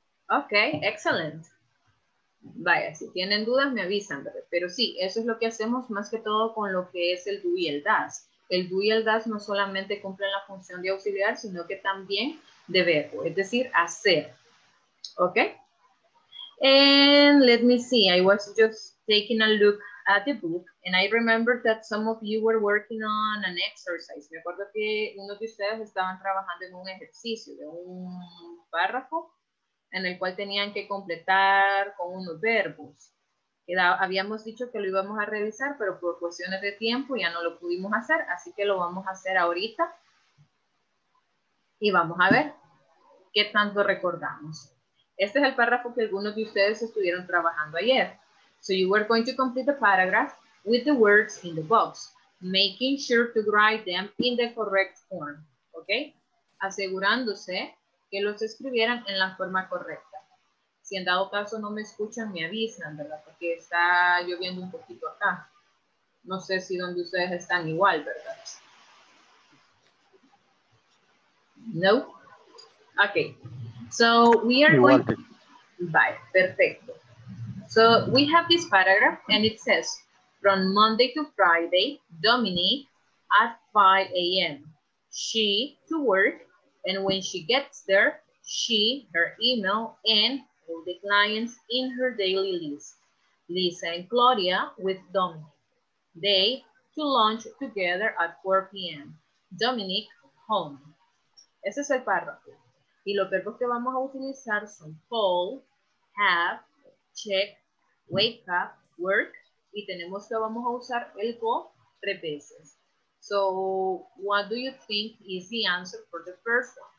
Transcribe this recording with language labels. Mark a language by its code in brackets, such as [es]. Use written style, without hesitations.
[en] Ok, excellent. [es] Vaya, si tienen dudas me avisan, ¿verdad? Pero sí, eso es lo que hacemos más que todo con lo que es el do y el does. El do y el does no solamente cumplen la función de auxiliar, sino que también de verbo, es decir, hacer. ¿Ok? [en] And let me see, I was just taking a look at the book and I remember that some of you were working on an exercise. [es] Me acuerdo que unos de ustedes estaban trabajando en un ejercicio de un párrafo en el cual tenían que completar con unos verbos. Habíamos dicho que lo íbamos a revisar, pero por cuestiones de tiempo ya no lo pudimos hacer, así que lo vamos a hacer ahorita. Y vamos a ver qué tanto recordamos. Este es el párrafo que algunos de ustedes estuvieron trabajando ayer. [en] So you were going to complete the paragraph with the words in the box, making sure to write them in the correct form, ¿ok? [es] Asegurándose que los escribieran en la forma correcta. Si en dado caso no me escuchan, me avisan, ¿verdad? Porque está lloviendo un poquito acá. No sé si donde ustedes están igual, ¿verdad? [en] No. Ok. So we are [es] igual. [en] Going. Bye. Perfecto. So we have this paragraph and it says, from Monday to Friday, Dominique at 5 a.m. She to work. And when she gets there, she, her email, and all the clients in her daily list. Lisa and Claudia with Dominic. They to lunch together at 4 p.m. Dominic home. [es] Ese es el párrafo. Y los verbos que vamos a utilizar son call, have, check, wake up, work. Y tenemos que vamos a usar el go tres veces. [en] So, what do you think is the answer for the first one?